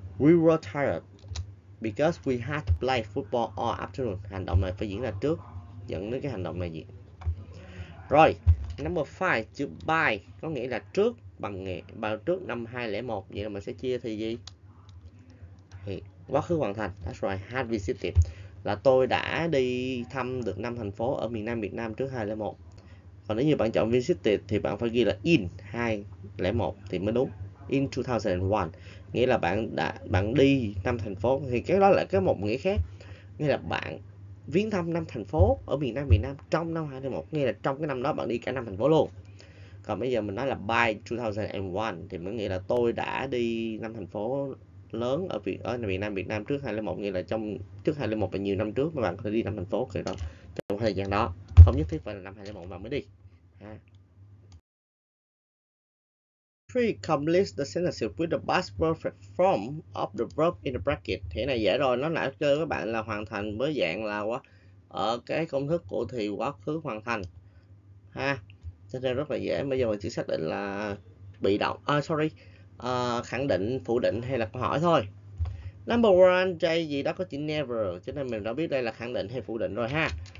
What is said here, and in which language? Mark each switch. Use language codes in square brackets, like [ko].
[en] We were tired because we had to play football all afternoon. [vi] Hành động này phải diễn ra trước, dẫn đến cái hành động này diễn. Rồi, number 5, chữ by có nghĩa là trước, bằng nghĩa bằng trước năm 2001. Vậy là mình sẽ chia thì gì? Thì quá khứ hoàn thành, [en] that's right, [vi] had visited. Là tôi đã đi thăm được năm thành phố ở miền Nam Việt Nam trước 2001. Còn nếu như bạn chọn visited thì bạn phải ghi là in 2001 thì mới đúng. In 2001 nghĩa là bạn đi năm thành phố, thì cái đó là cái một nghĩa khác, nghĩa là bạn viếng thăm năm thành phố ở miền Nam trong năm 2001, nghĩa là trong cái năm đó bạn đi cả năm thành phố luôn. Còn bây giờ mình nói là by 2001 thì mới nghĩa là tôi đã đi năm thành phố lớn ở miền Nam trước 2001, nghĩa là trong trước 2001 và nhiều năm trước mà bạn có thể đi năm thành phố rồi đó, trong thời gian đó, không nhất thiết phải là năm 2001 bạn mới đi ha. [en] Three, complete the sentence with the past perfect form of the verb in the bracket. [vi] Thế này dễ rồi, nó đã chơi các bạn là hoàn thành với dạng là quá ở cái công thức của thì quá khứ hoàn thành ha, cho nên rất là dễ. Bây giờ mình chỉ xác định là bị động, khẳng định, phủ định hay là câu hỏi thôi. Number one, J gì đó có chữ never, cho nên mình đã biết đây là khẳng định hay phủ định rồi ha.